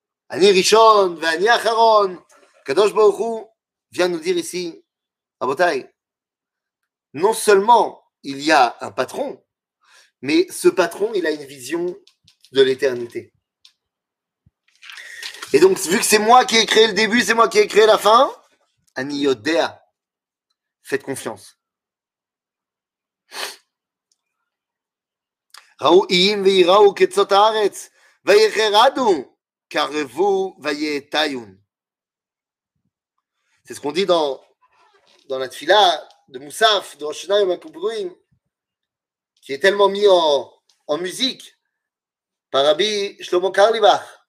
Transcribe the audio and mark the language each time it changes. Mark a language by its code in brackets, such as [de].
[he] אני ראשון ואני אחרון. הקדוש ברוך הוא [fr] vient nous dire ici, רבותיי, non seulement il y a un patron, mais ce patron, il a une vision de l'éternité. Et donc, vu que c'est moi qui ai créé le début, c'est moi qui ai créé la fin, [he] אני יודע, [fr] faites confiance. [he] ראו איים ויראו קצות הארץ ויחרדו קרבו ויתיון. [fr] C'est ce qu'on dit dans la tefila de Moussaf, de Rosh Hashanah Yom Kippourim, qui est tellement mis en musique par Rabbi Shlomo Karlibach.